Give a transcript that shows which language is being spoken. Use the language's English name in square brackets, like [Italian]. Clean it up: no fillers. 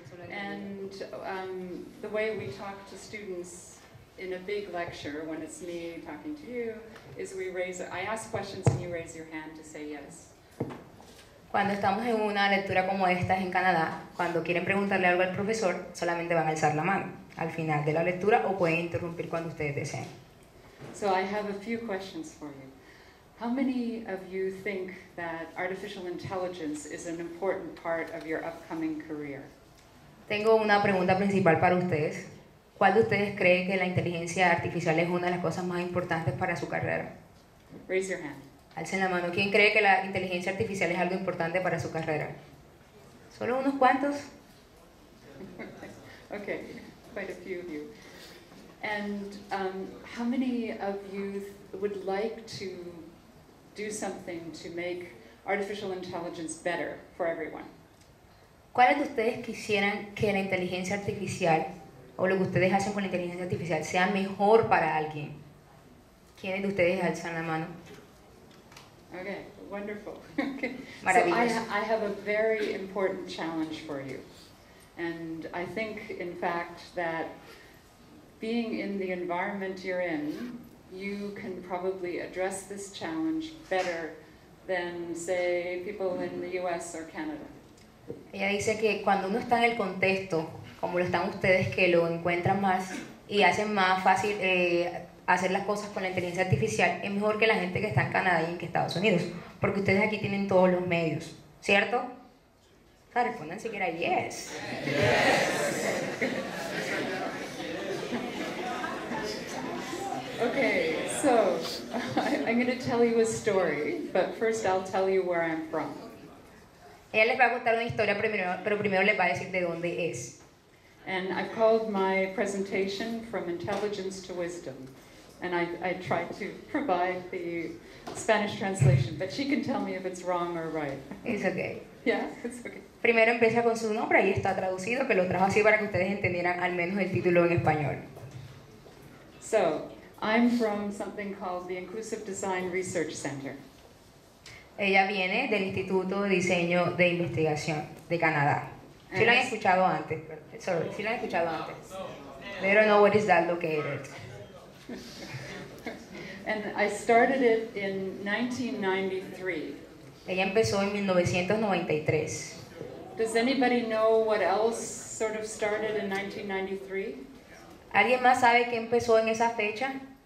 [English] And the way we talk to students in a big lecture, when it's me talking to you, is we raise, I ask questions and you raise your hand to say yes. [Spanish] Cuando estamos en una lectura como esta en Canadá, cuando quieren preguntarle algo al profesor, solamente van a alzar la mano al final de la lectura o pueden interrumpir cuando ustedes deseen. [English] So I have a few questions for you. How many of you think that artificial intelligence is an important part of your upcoming career? [Spanish] Tengo una pregunta principal para ustedes. ¿Cuál de ustedes cree que la inteligencia artificial es una de las cosas más importantes para su carrera? [English] Raise your hand. [Spanish] Alcen la mano. ¿Quién cree que la inteligencia artificial es algo importante para su carrera? ¿Solo unos cuantos? [English] Okay, quite a few of you. And how many of you would like to do something to make artificial intelligence better for everyone? [Spanish] ¿Cuáles de ustedes quisieran que la inteligencia artificial o lo que ustedes hacen con la inteligencia artificial sea mejor para alguien? ¿Quiénes de ustedes alzan la mano? [English] Okay, wonderful. Okay. [Spanish] Maravilloso. [English] So I have a very important challenge for you. And I think, in fact, that being in the environment you're in, you can probably address this challenge better than, say, people in the US or Canada. [Spanish] Ella dice que cuando uno está en el contexto, como lo están ustedes, que lo encuentran más y hacen más fácil hacer las cosas con la inteligencia artificial, es mejor que la gente que está en Canadá y en Estados Unidos, porque ustedes aquí tienen todos los medios, ¿cierto? O sea, respondan siquiera yes. [English] Yes. Okay, so I'm going to tell you a story, but first I'll tell you where I'm from. [Spanish] Ella les va a contar una historia primero, pero primero les va a decir de dónde es. [English] And I called my presentation From Intelligence to Wisdom. And I tried to provide the Spanish translation, but she can tell me if it's wrong or right. It's okay. Yeah, it's okay. [Spanish] Primero empieza con su nombre, ahí está traducido, que lo trajo así para que ustedes entendieran al menos el título en español. [English] So, I'm from something called the Inclusive Design Research Center. [Spanish] Ella viene del Instituto de Diseño de Investigación de Canadá. Si ¿Sí lo han escuchado antes? Sorry, si ¿sí lo han escuchado antes? [English] They don't know where is that located. And I started it in 1993. [Spanish] Ella empezó en 1993. [English] Does anybody know what else sort of started in 1993? [Spanish] ¿Alguien más sabe qué empezó en esa fecha?